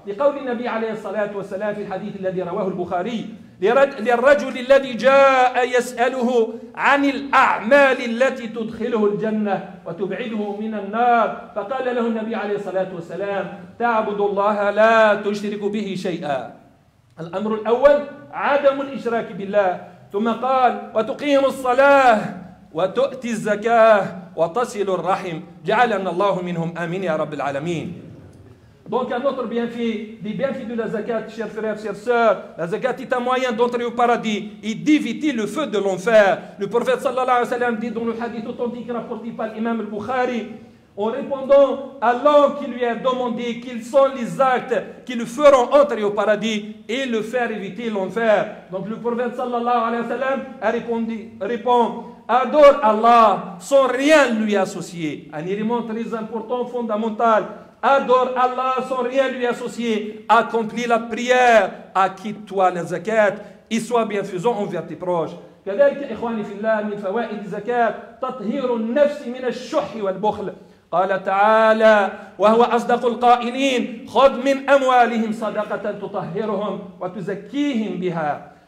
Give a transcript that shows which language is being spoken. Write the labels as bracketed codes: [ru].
[ar] لقول النبي عليه الصلاة والسلام في الحديث الذي رواه البخاري للرجل الذي جاء يسأله عن الأعمال التي تدخله الجنة وتبعده من النار، فقال له النبي عليه الصلاة والسلام: تعبد الله لا تشرك به شيئا. الأمر الأول عدم الإشراك بالله، ثم قال: وتقيم الصلاة وتؤتي الزكاة وتصل الرحم، جعلنا الله منهم، آمين يا رب العالمين. [fr] Donc un autre bienfait, des bienfaits de la zakat, chers frères, chers sœurs, la zakat est un moyen d'entrer au paradis et d'éviter le feu de l'enfer. Le prophète sallallahu alayhi wa sallam dit dans le hadith authentique rapporté par l'imam al-Bukhari, en répondant à l'homme qui lui a demandé quels sont les actes qui le feront entrer au paradis et le faire éviter l'enfer. Donc le prophète sallallahu alayhi wa sallam a répondu, répond, adore Allah sans rien lui associer. Un élément très important, fondamental. Adore Allah sans rien lui associer. Accomplis la prière. Acquitte-toi la zakat. Et sois bienfaisant envers tes proches. [ar] كذلك إخواني في الله من فوائد الزكاة تطهير النفس من الشح والبخل. قال تعالى وهو أصدق القائلين خذ من أموالهم صدقة تطهرهم وتزكيهم بها.